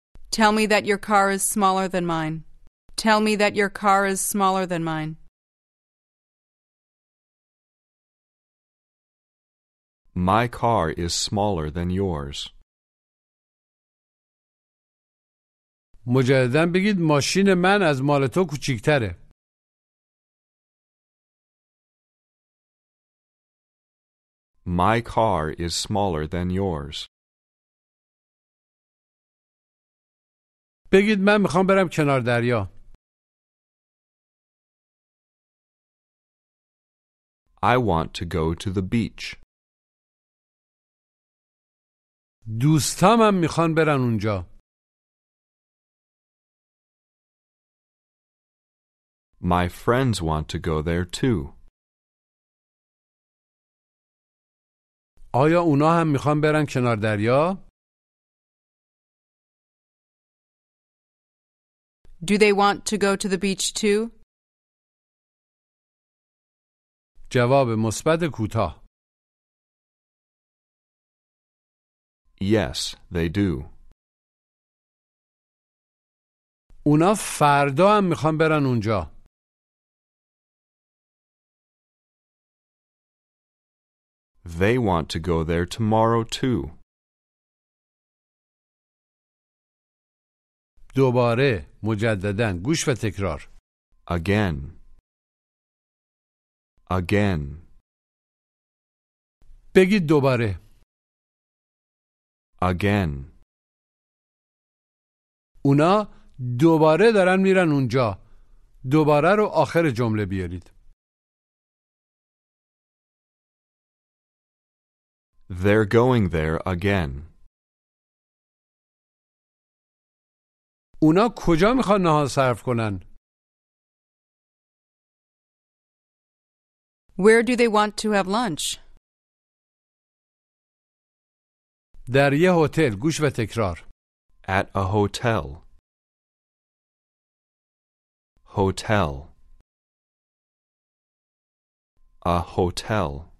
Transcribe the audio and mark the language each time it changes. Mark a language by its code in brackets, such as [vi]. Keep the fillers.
[en] Tell me that your car is smaller than mine Tell me that your car is smaller than mine My car is smaller than yours. [fa] مجددن بگید ماشین من از مال [en] My car is smaller than yours. [fa] بگید من میخوام برم کنار دریا. [en] I want to go to the beach. [fa] دوستام هم میخوان برن اونجا. [en] My friends want to go there too. [fa] آیا اونا هم میخوان برن کنار دریا؟ [en] Do they want to go to the beach too? [fa] جواب مثبت کوتاه [en] Yes, they do. [fa] اونا فردا هم میخوان برن اونجا. [en] They want to go there tomorrow too. [fa] دوباره مجددا گوش و تکرار. [en] Again. Again. [fa] بگید دوباره. [en] again. [fa] اونا دوباره دارن میرن اونجا. دوباره رو آخر جمله بیارید. [en] They're going there again. [fa] اونا کجا میخوان نهار صرف کنن؟ [en] Where do they want to have lunch? [fa] در یه هتل گوش و تکرار [en] at a hotel hotel a hotel